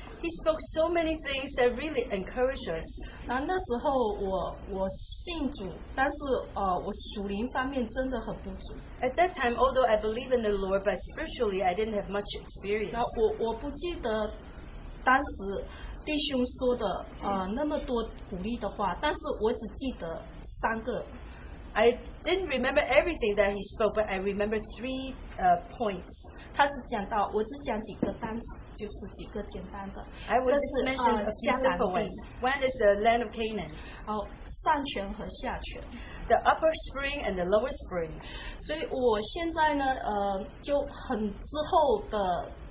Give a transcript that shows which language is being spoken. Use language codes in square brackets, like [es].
[en] He spoke so many things that really encouraged us. [zh] 那时候我信主，但是我属灵方面真的很不足。 [en] At that time, although I believe in the Lord, but spiritually, I didn't have much experience. [zh] 那我不记得当时弟兄说的那么多鼓励的话，但是我只记得三个。 [en] I didn't remember everything that he spoke, but I remember three points. [zh] 他只讲到，我只讲几个单词，就是几个简单的。 [en] I will just mention a few simple ones. One is the land of Canaan. [zh] 上泉和下泉。 [en] The upper spring and the lower spring. [zh] 所以我现在呢，就很之后的。